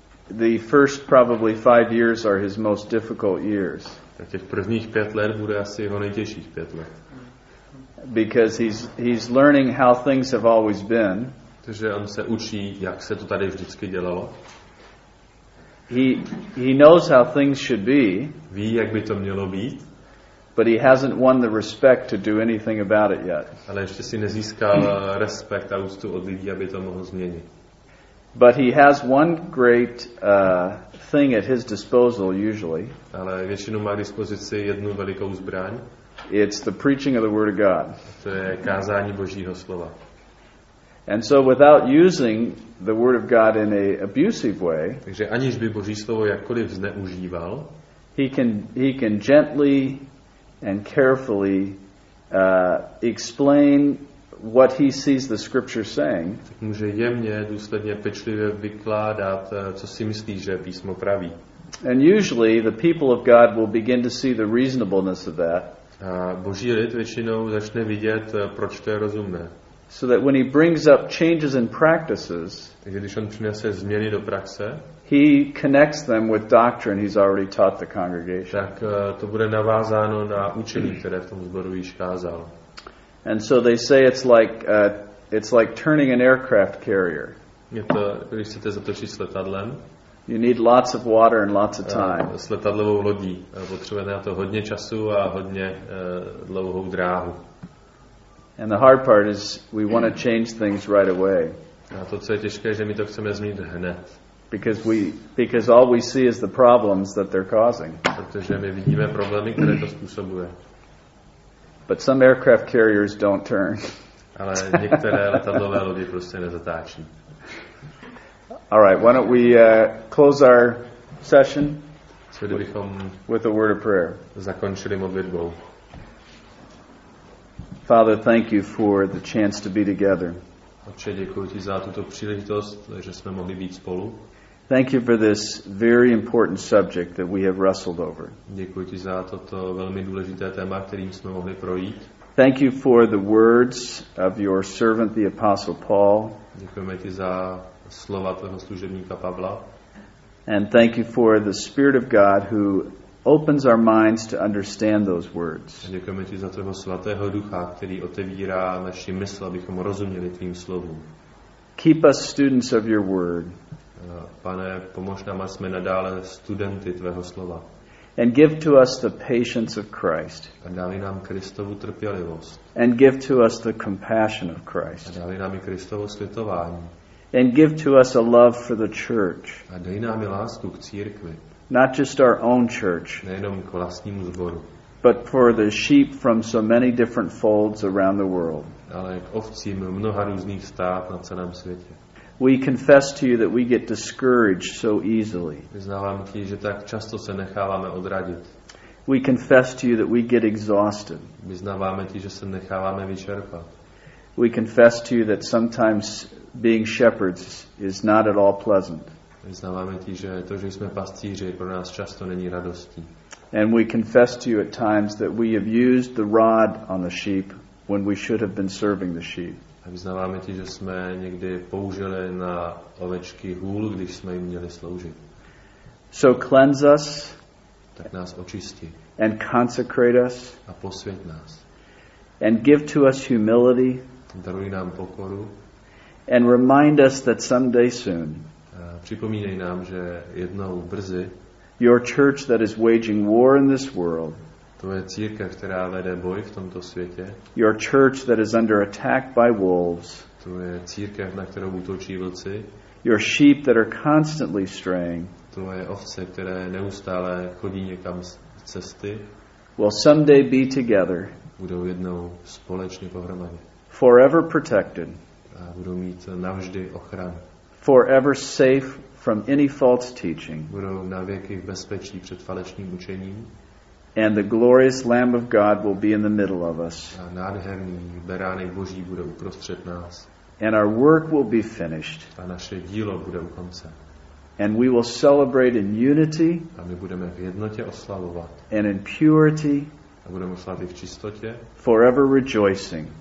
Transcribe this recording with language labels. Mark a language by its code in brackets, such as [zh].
[en] the first probably 5 years are his most difficult years. [cs] Tak těch prvních 5 let bude asi jeho nejtěžších 5 let. [en] Because he's learning how things have always been. [cs] Takže on se učí, jak se to tady vždycky dělalo. [en] He knows how things should be. [cs] Ví, jak by to mělo být. [en] But he hasn't won the respect to do anything about it yet. [cs] Ale ještě si nezískal respekt a úctu od lidí, aby to mohl změnit. [en] But he has one great thing at his disposal usually. [cs] Ale většinou má k dispozici jednu velikou zbraň. [en] It's the preaching of the word of God. [cs] To je kázání Božího slova. [en] And so without using the word of God in a abusive way, [cs] takže aniž by Boží slovo jakkoliv zneužíval, [en] he can gently and carefully explain what he sees the scripture saying. [cs] Může jemně, důsledně, pečlivě vykládat, co si myslí, že písmo praví. [en] And usually the people of God will begin to see the reasonableness of that. [cs] A Boží lid většinou začne vidět, proč to je rozumné. [en] So that when he brings up changes in practices, [cs] takže když on přinese změny do praxe, [en] he connects them with doctrine he's already taught the congregation. [cs] Tak to bude navázáno na učení, které v tom zboru již kázal. [en] And so they say it's like turning an aircraft carrier. [cs] Je to, když chcete zatočit s letadlem. [en] You need lots of water and lots of time. [cs] S letadlovou lodí potřebujete na to hodně času a hodně dlouhou dráhu. [en] And the hard part is we want to change things right away. [cs] A to, co je těžké, že my to chceme změnit hned. [en] Because all we see is the problems that they're causing. [cs] Protože my vidíme problémy, které to způsobuje. [en] But some aircraft carriers don't turn. [cs] Ale některé letadlové lodi prostě nezatáčí. [en] All right, why don't we close our session with a word of prayer. [cs] Zakončili modlitbou. [en] Father, thank you for the chance to be together. [cs] Otče, děkuji ti za tuto příležitost, že jsme mohli být spolu. [en] Thank you for this very important subject that we have wrestled over. [cs] Děkuji ti za toto velmi důležité téma, kterým jsme mohli projít. [en] Thank you for the words of your servant, the Apostle Paul. [cs] Děkujeme ti za slova tvého služebníka Pavla. [en] And thank you for the Spirit of God who opens our minds to understand those words. [cs] Děkujeme ti za tvého svatého ducha, který otevírá naši mysl, abychom rozuměli tvým slovům. [en] Keep us students of your word. [cs] Pane, pomož nám, a jsme nadále studenty tvého slova. [en] And give to us the patience of Christ. [cs] A dávej nám Kristovu trpělivost. [en] And give to us the compassion of Christ. [cs] A dávej nám i Kristovo slitování. [en] And give to us a love for the church. [cs] A dej nám i lásku k církvi. [en] Not just our own church, [cs] nejenom k vlastnímu zboru, [en] but for the sheep from so many different folds around the world. [cs] Ale k ovcím mnoha různých stád na celém světě. [en] We confess to you that we get discouraged so easily. [cs] Vyznávám ti, že tak často se necháváme odradit. [en] We confess to you that we get exhausted. [cs] Vyznáváme ti, že se necháváme vyčerpat. [en] We confess to you that sometimes being shepherds is not at all pleasant. [cs] Vyznáváme ti, že to, že jsme pastíři, pro nás často není radostí. [en] And we confess to you at times that we have used the rod on the sheep when we should have been serving the sheep. [cs] A vyznáváme ti, že jsme někdy použili na ovečky hůl, když jsme jim měli sloužit. [en] So cleanse us. [cs] Tak nás očisti. [en] And consecrate us. [cs] A posvěť nás. [en] And give to us humility. [cs] Daruj nám pokoru. [en] And remind us that someday soon. [cs] Připomínej nám, že jednou brzy. [en] Your church that is waging war in this world. [cs] Tvoje církev, která vede boj v tomto světě. [en] Your church that is under attack by wolves. [cs] Tvoje církev, na kterou útočí vlci. [en] Your sheep that are constantly straying. [cs] Tvoje ovce, které neustále chodí někam z cesty. [en] Will someday be together. [cs] Budou jednou společně pohromadě. [en] Forever protected. [cs] A budou mít navždy ochranu. [en] Forever safe from any false teaching. [cs] Budou navěky v bezpečí před falešným učením. [en] And the glorious Lamb of God will be in the middle of us. [cs] A nádherný beránek Boží bude uprostřed nás. [en] And our work will be finished. [cs] A naše dílo bude u konce. [en] And we will celebrate in unity. [cs] A my budeme v jednotě oslavovat. [en] And in purity. [cs] A budeme oslavit v čistotě. [en] Forever rejoicing.